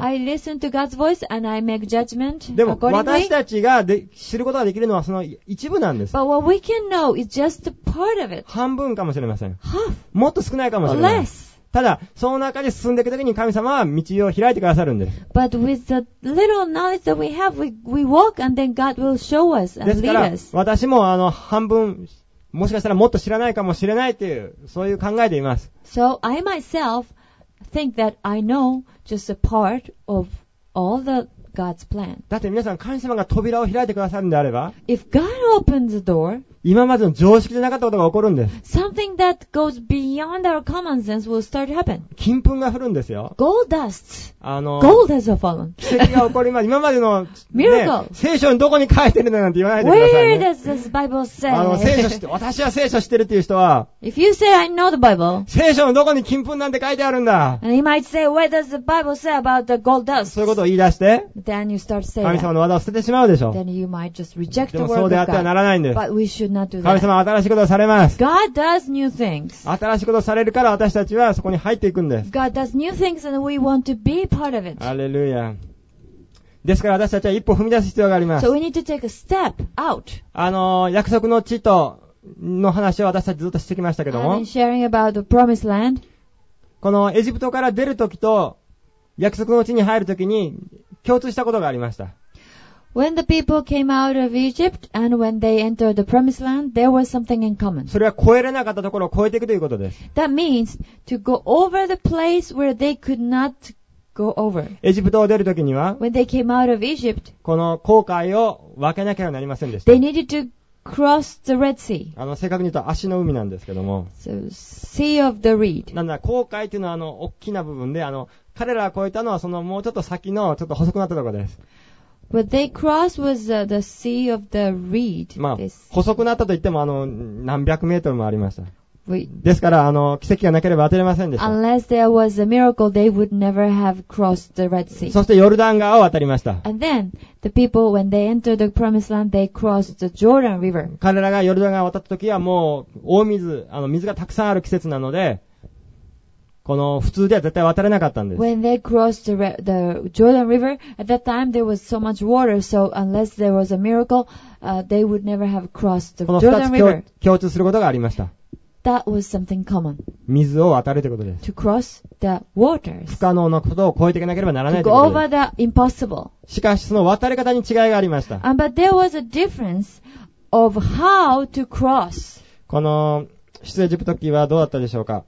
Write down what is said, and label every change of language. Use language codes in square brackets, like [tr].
[en] I listen to God's voice and I make judgment accordingly. [ja] でも私たちが知ることができるのはその一部なんです。 [en] But what we can know is just part of it. [ja] 半分かもしれません。 [en] Half. [ja] もっと少ないかもしれない。 [en] Less. [ja] ただその中で進んでいくときに神様は道を開いてくださるんです。 [en] But with the little knowledge that we have, we walk and then God will show us and lead us. [ja] ですから私も半分もしかしたらもっと知らないかもしれないっていうそういう考えでいます。 [en] So I myself think that I know just a part of all the God's plan. [ja] だって皆さん神様が扉を開いてくださるんであれば、 [en] If God opens the door. [ja] 今までの常識じゃなかったことが起こるんです。 [en] Something that goes beyond our common sense will start to happen. [ja] 金粉が降るんですよ。 [en] Gold dust. Gold has fallen. [ja] 奇跡が起こります。今までの、 [en] Miracle. [ja] ね、聖書にどこに書いてるんだなんて言わないでください、ね。 [en] Where does this Bible say? [ja] 聖書知って、私は聖書知ってるっていう人は、 [en] If you say I know the Bible, [ja] 聖書のどこに金粉なんて書いてあるんだ。 [en] And you might say, Where does the Bible say about the gold dust? [ja] そういうことを言い出して、 [en] Then you start saying that. [ja] 神様の技を捨ててしまうでしょ。 [en] Then you might just reject the word of God. [ja] でもそうであってはならないんです。 [en] But we should [ja] 神様は新しいことをされます。 [en] God does new things. [ja] 新しいことをされるから私たちはそこに入っていくんです。 [en] God does new things and we want to be part of it. [ja] ハレルヤ。ですから私たちは一歩踏み出す必要があります。 [en] So we need to take a step out. [ja] 約束の地との話を私たちずっとしてきましたけども。 [en] I've been sharing about the promised land. [ja] このエジプトから出るときと約束の地に入るときに共通したことがありました。 [en] When the people came out of Egypt and when they entered the promised land, there was something in common. [ja] それは越えれなかったところを越えていくということです。 [en] That means to go over the place where they could not go over. [ja] エジプトを出るときには、 [en] When they came out of Egypt, [ja] この紅海を分けなければなりませんでした。 [en] They needed to cross the Red Sea. [ja] 正確に言うと足の海なんですけども。 [en] So, Sea of the Reed. [ja] なんだ、紅海というのは大きな部分で、彼らが越えたのはそのもうちょっと先のちょっと細くなったところです。 [en] But they crossed was the sea of the reed. [ja] まあ細くなったと言っても何百メートルもありました。ですから、あの、奇跡がなければ渡れませんでした。 [en] Unless there was a miracle, they would never have crossed the Red Sea. [ja] そしてヨルダン川を渡りました。 [en] And then, the people, when they entered the promised land, they crossed the Jordan River. [ja] 彼らがヨルダン川を渡った時はもう、大水、あの、水がたくさんある季節なので、この、普通では絶対渡れなかったんです。 [en] When they crossed the Jordan River, at that time there was so much water, so unless there was a miracle, they would never have crossed the Jordan River. [ja] この2つ共通することがありました。 [en] That was something common. [ja] 水を渡るということです。 [en] To cross the waters. [ja] 不可能なことを超えていかなければならないということです。 [en] To go over the impossible. [ja] しかしその渡り方に違いがありました。 [en] But there was a difference of how to cross. [ja] この、出エジプト記はどうだったでしょうか